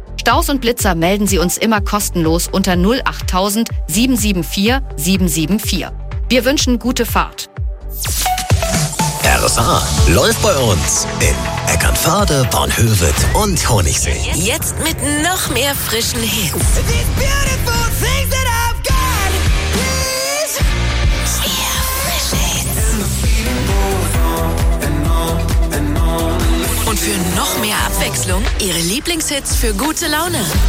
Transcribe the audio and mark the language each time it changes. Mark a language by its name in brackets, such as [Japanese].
[German] Staus und Blitzer melden Sie uns immer kostenlos unter 08000 774 774. Wir wünschen gute Fahrt. RSA läuft bei uns in Eckernförde, Bornhöved und Honigsee. Jetzt mit noch mehr frischen Hits. [English] These beautiful things that I've got, please. [German] Yeah, und für noch mehr Abwechslung, Ihre Lieblingshits für gute Laune.